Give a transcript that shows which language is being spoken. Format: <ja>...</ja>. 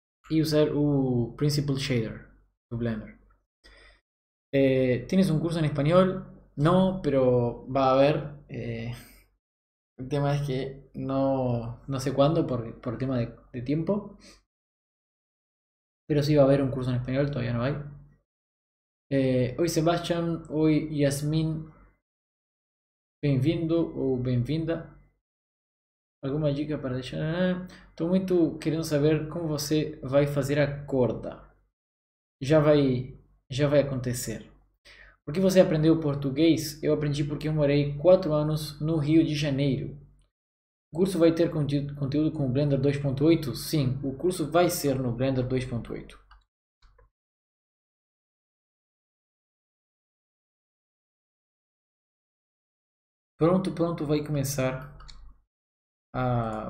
<pt>E usar o Principal Shader do Blender. Tens um curso em espanhol? Não,</pt> <es>pero va a haber.</es> <pt>O tema é que não sei quando,</pt> <es>por tema de tiempo. Pero sí va a haber un curso en español, todavía no hay. Hoy Sebastián, hoy Yasmín. Bienvenido o bienvenida. ¿Alguna dica para dejar? Estoy muy queriendo saber cómo usted va a hacer la corda. Ya va a acontecer. ¿Por qué usted aprendió portugués? Yo aprendí porque yo morei 4 años en no Rio de Janeiro.</es> <pt>O curso vai ter conteúdo com o Blender 2.8? Sim, o curso vai ser no Blender 2.8. Pronto, pronto, vai começar a.</pt>